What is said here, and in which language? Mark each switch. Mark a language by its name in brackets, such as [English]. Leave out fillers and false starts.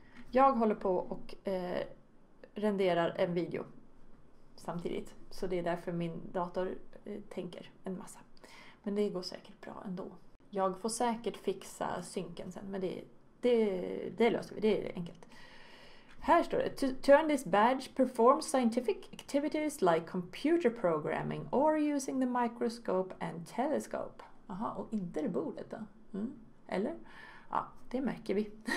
[Swedish] Jag håller på och renderar en video samtidigt. Så det är därför min dator tänker en massa. Men det går säkert bra ändå. Jag får säkert fixa synken sen. Men det löser vi. Det är enkelt. Här står det. [English] To earn this badge, perform scientific activities like computer programming or using the microscope and telescope. [Swedish] Aha, och inte det bordet då? Mm. Eller? Ja, det märker vi.